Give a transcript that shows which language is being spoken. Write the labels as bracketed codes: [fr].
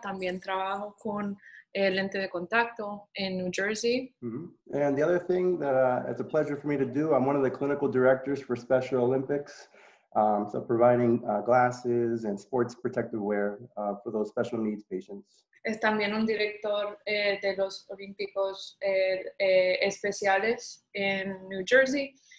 [es] También trabajo con el lente de contacto en New Jersey. Mm-hmm. [en] And the other thing that it's a pleasure for me to do, I'm one of the clinical directors for Special Olympics. So providing glasses and sports protective wear for those special needs patients. [es] Es también un director de los olímpicos especiales en New Jersey.